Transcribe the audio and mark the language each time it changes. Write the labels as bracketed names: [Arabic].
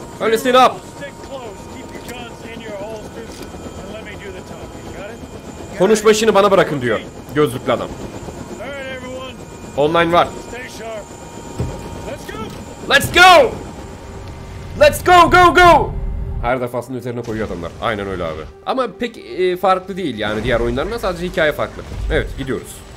[English] Listen up. [Turkish] Konuşma işini bana bırakın diyor gözlüklü adam. Online var. [English] Let's go! Let's go! Let's go! Go! Go! [Turkish] Her defasında üzerine koyuyor adamlar. Aynen öyle abi. Ama pek farklı değil yani diğer oyunlarından, sadece hikaye farklı. Evet, gidiyoruz.